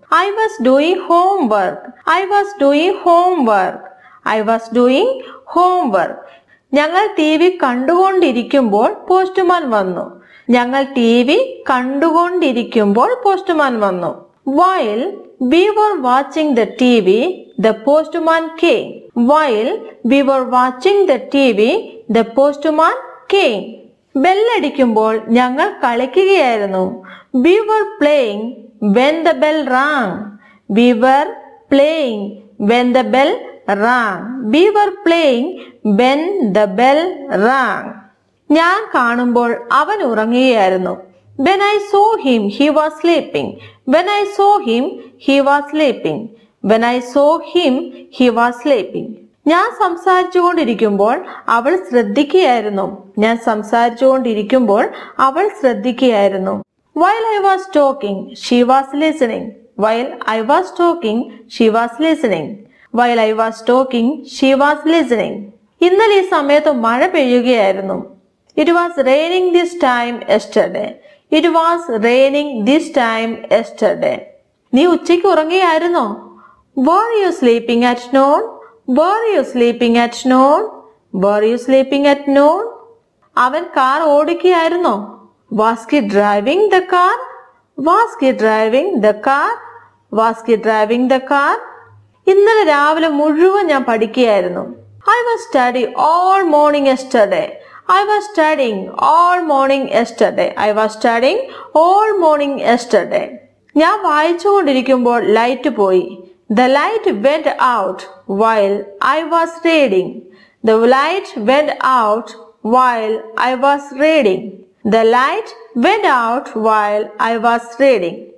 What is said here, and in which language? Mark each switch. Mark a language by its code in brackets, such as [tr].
[en] I was doing homework. I was doing homework. I was doing homework. [ml] ഞങ്ങൾ T V കണ്ടുകൊണ്ടിരിക്കുമ്പോൾ postman വന്നു. ഞങ്ങൾ T V കണ്ടുകൊണ്ടിരിക്കുമ്പോൾ postman വന്നു. [en] While we were watching the T V, the postman came. While we were watching the TV, the postman came. [ml] Bell അടിക്കുമ്പോൾ ഞങ്ങൾ കളിക്കുകയായിരുന്നു. [en] We were playing when the bell rang. We were playing when the bell rang. We were playing when the bell rang. [ml] ഞാൻ കാണുമ്പോൾ അവൻ ഉറങ്ങുകയായിരുന്നു. [en] When I saw him, he was sleeping. When I saw him, he was sleeping. When I saw him, he was sleeping. [ml] ഞാൻ സംസാരിച്ചുകൊണ്ടിരിക്കുമ്പോൾ അവൾ ശ്രദ്ധിക്കുകയായിരുന്നു. ഞാൻ സംസാരിച്ചുകൊണ്ടിരിക്കുമ്പോൾ അവൾ ശ്രദ്ധിക്കുകയായിരുന്നു. [en] While I was talking, she was listening. While I was talking, she was listening. While I was talking, she was listening. [ml] ഇന്നലെ ഈ സമയത്ത് മഴ പെയ്യുകയായിരുന്നു. [en] It was raining this time yesterday. It was raining this time yesterday. [ml] നീ ഉച്ചയ്ക്ക് ഉറങ്ങിയായിരുന്നോ? [en] Were you sleeping at noon? Were you sleeping at noon? Were you sleeping at noon? [ml] അവൻ car ഓടിക്കുകയായിരുന്നോ? [en] Was he driving the car? Was he driving the car? Was he driving the car? [ml] ഇന്നലെ രാവിലെ മുഴുവൻ ഞാൻ പഠിക്കുകയായിരുന്നു. [en] I was studying all morning yesterday. I was studying all morning yesterday. I was studying all morning yesterday. [ml] ഞാൻ വായിച്ചുകൊണ്ടിരിക്കുമ്പോൾ light പോയി. [en] The light went out while I was reading. The light went out while I was reading. The light went out while I was reading.